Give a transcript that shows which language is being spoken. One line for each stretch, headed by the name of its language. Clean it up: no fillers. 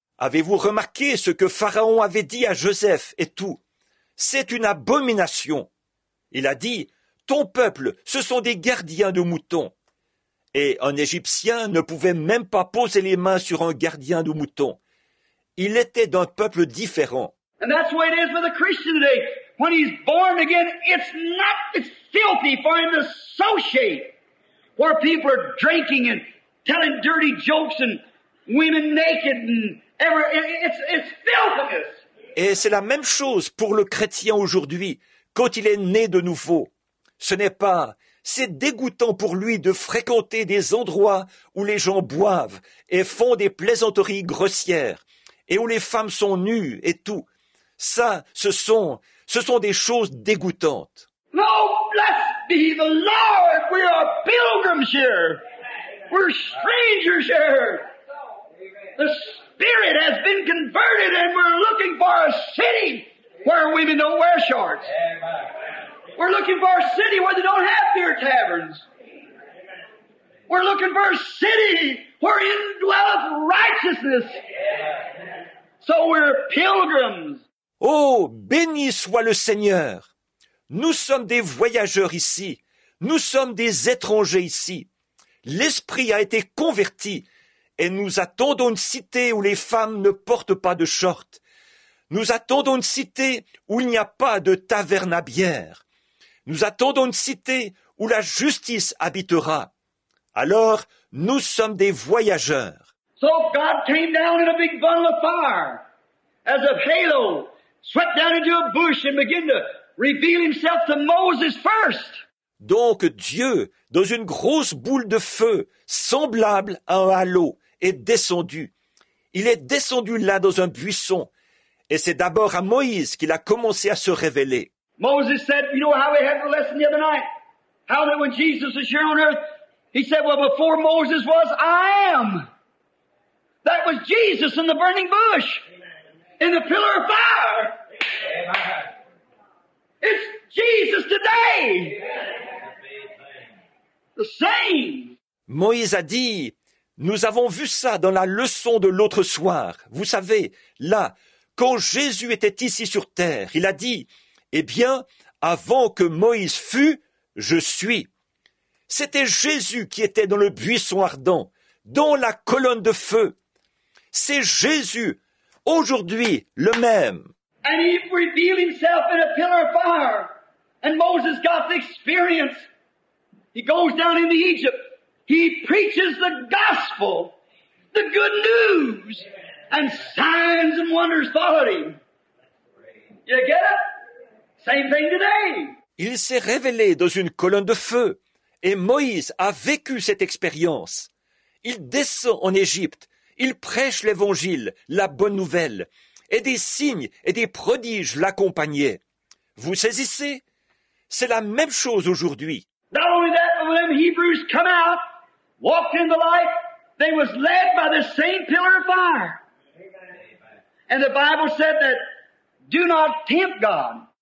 French: Avez-vous remarqué ce que Pharaon avait dit à Joseph et tout? C'est une abomination. Il a dit, ton peuple, ce sont des gardiens de moutons. Et un Égyptien ne pouvait même pas poser les mains sur un gardien de moutons. Il était d'un peuple différent.
English: And that's what it is with a Christian today. When he's born again, it's not filthy for him to associate where people are drinking and telling dirty jokes and women naked and it's filthiness.
French: Et c'est la même chose pour le chrétien aujourd'hui, quand il est né de nouveau. C'est dégoûtant pour lui de fréquenter des endroits où les gens boivent et font des plaisanteries grossières et où les femmes sont nues et tout. Ça, ce sont des choses dégoûtantes.
English: Oh, blessed be the Lord! We are pilgrims here. We're strangers here. The Spirit has been converted and we're looking for a city where women don't wear shorts. We're looking for a city where they don't have beer taverns. We're looking for a city where indwelleth righteousness. So we're pilgrims.
French: Oh, béni soit le Seigneur. Nous sommes des voyageurs ici. Nous sommes des étrangers ici. L'Esprit a été converti et nous attendons une cité où les femmes ne portent pas de shorts. Nous attendons une cité où il n'y a pas de taverne à bière. Nous attendons une cité où la justice habitera. Alors, nous sommes des voyageurs.
English: So God came down in a big bundle of fire, as a halo, swept down into a bush and began to reveal himself to Moses first.
French: Donc Dieu, dans une grosse boule de feu, semblable à un halo, est descendu. Il est descendu là dans un buisson. Et c'est d'abord à Moïse qu'il a commencé à se révéler.
English: Moses said, you know how we had the lesson the other night? How that when Jesus is here on earth, he said, well, before Moses was, I am. That was Jesus in the burning bush, in the pillar of fire. It's Jesus today. The same.
French: Moïse a dit, nous avons vu ça dans la leçon de l'autre soir. Vous savez, là, quand Jésus était ici sur terre, il a dit, eh bien, avant que Moïse fût, je suis. C'était Jésus qui était dans le buisson ardent, dans la colonne de feu. C'est Jésus, aujourd'hui, le même.
English: And he revealed himself in a pillar of fire. And Moses got the experience. He goes down into Egypt. He preaches the gospel, the good news, and signs and wonders followed him. You get it? Same thing today.
French: Il s'est révélé dans une colonne de feu, et Moïse a vécu cette expérience. Il descend en Égypte, il prêche l'évangile, la bonne nouvelle, et des signes et des prodiges l'accompagnaient. Vous saisissez? C'est la même chose aujourd'hui.
English: Not only that, but when the Hebrews come out, walked in the light, they was led by the same pillar of fire. And the Bible said that, do not tempt God.